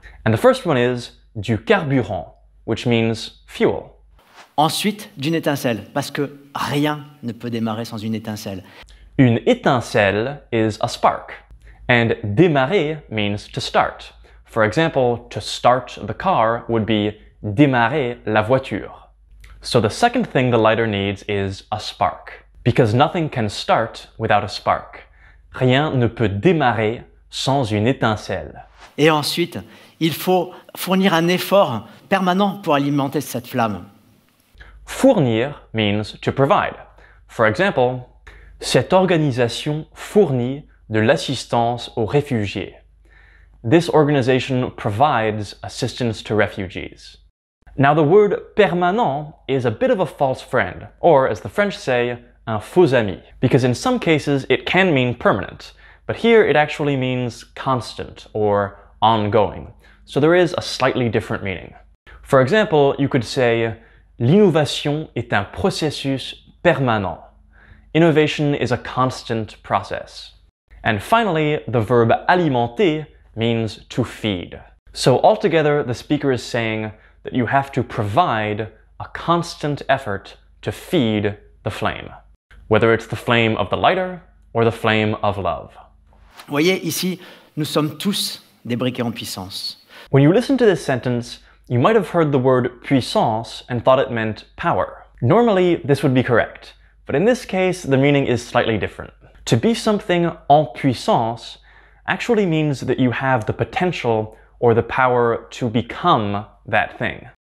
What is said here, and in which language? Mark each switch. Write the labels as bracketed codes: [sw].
[en] And the first one is [fr] du carburant, [en] which means fuel. [fr] Ensuite, d'une étincelle, parce que rien ne peut démarrer sans une étincelle. Une étincelle [en] is a spark. And démarrer means to start. For example, to start the car would be [fr] démarrer la voiture. [en] So the second thing the lighter needs is a spark. Because nothing can start without a spark. [fr] Rien ne peut démarrer sans une étincelle. Et ensuite, il faut fournir un effort permanent pour alimenter cette flamme. [en] Fournir means to provide. For example, [fr] cette organisation fournit de l'assistance aux réfugiés. [en] This organization provides assistance to refugees. Now the word permanent is a bit of a false friend, or as the French say, [fr] un faux ami, [en] because in some cases it can mean permanent, but here it actually means constant or ongoing. So there is a slightly different meaning. For example, you could say, [fr] l'innovation est un processus permanent. [en] Innovation is a constant process. And finally, the verb alimenter means to feed. So altogether, the speaker is saying that you have to provide a constant effort to feed the flame. Whether it's the flame of the lighter or the flame of love. [fr] Voyez, ici, nous sommes tous des briquets en puissance. [en] When you listen to this sentence, you might have heard the word puissance and thought it meant power. Normally, this would be correct, but in this case, the meaning is slightly different. To be something en puissance actually means that you have the potential or the power to become that thing.